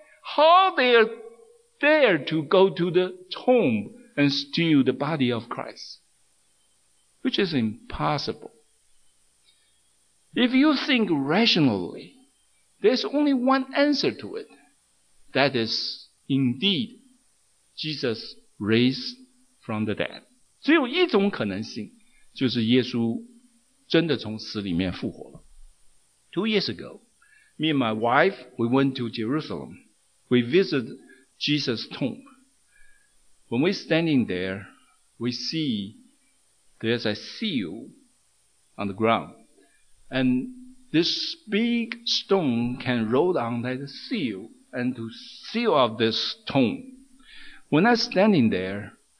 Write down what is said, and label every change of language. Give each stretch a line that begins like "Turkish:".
English: How they are there to go to the tomb and steal the body of Christ? Which is impossible. If you think rationally, there's only one answer to it. That is, indeed, Jesus raised from the dead.
Chinese: 只有一种可能性，就是耶稣真的从死里面复活了。
English: 2 years ago, me and my wife, we went to Jerusalem. We visited Jesus' tomb. When we're standing there, we see there's a seal on the ground. And this big stone can roll down that seal and to seal off this tomb. When I was standing there,